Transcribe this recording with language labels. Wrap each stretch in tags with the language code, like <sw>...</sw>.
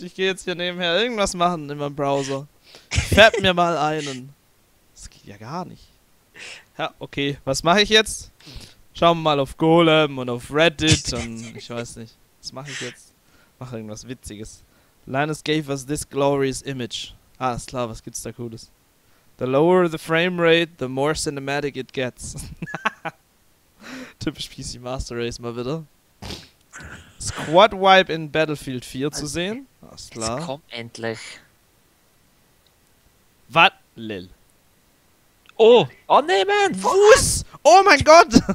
<de>Ich gehe jetzt hier nebenher irgendwas machen in meinem Browser. Fab mir mal einen. Das geht ja gar nicht. Ja, okay. Was mache ich jetzt? Schauen wir mal auf Golem und auf Reddit und ich weiß nicht. Was mache ich jetzt? Mach irgendwas Witziges.</de> <en>Linus gave us this glorious image.</en> <de>Ah, ist klar, was gibt's da Cooles?</de> <en>The lower the frame rate, the more cinematic it gets.</en> <de>Typisch PC Master Race mal wieder. Squad Wipe in Battlefield 4 also zu sehen. Ah, ist klar. Komm endlich. Was, Lil? Oh, oh nee, man! Fuß! Oh mein Gott!</de>